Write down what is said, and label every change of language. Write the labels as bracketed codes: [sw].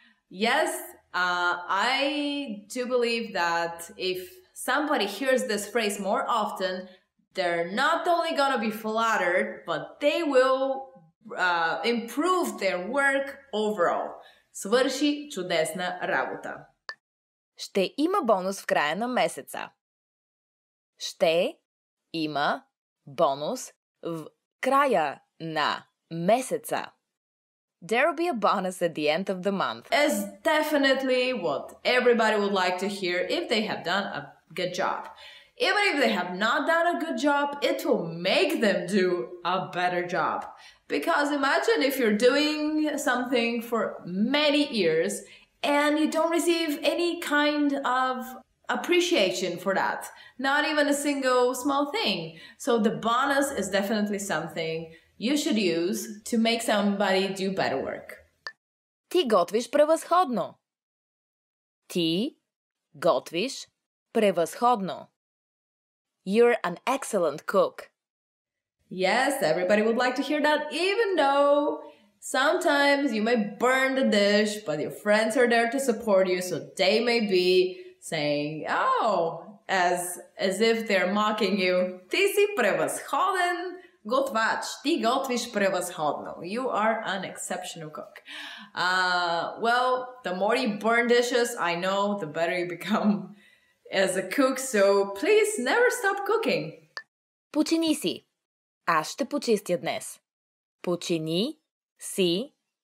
[en] Yes, I do believe that if somebody hears this phrase more often, they're not only gonna be flattered, but they will improve their work overall. [bg] Свърши чудесна работа. Ще има бонус в края на месеца. Ще има бонус в края на месеца. [en] There will be a bonus at the end of the month. It's definitely what everybody would like to hear if they have done a good job. Even if they have not done a good job, it will make them do a better job. Because imagine if you're doing something for many years and you don't receive any kind of appreciation for that. Not even a single small thing. So the bonus is definitely something you should use to make somebody do better work. [bg] Ти готвиш превъзходно. Ти готвиш превъзходно. [en] You're an excellent cook. Yes, everybody would like to hear that, even though sometimes you may burn the dish, but your friends are there to support you, so they may be saying, oh, as if they're mocking you. [bg] Ти си превъзходен. Готвач, ти готвиш превъзходно. [en] You are an exceptional cook. Well, the more you burn dishes, I know, the better you become as a cook, so please never stop cooking. [bg] Почини си. Аз ще почистя днес. Почини си.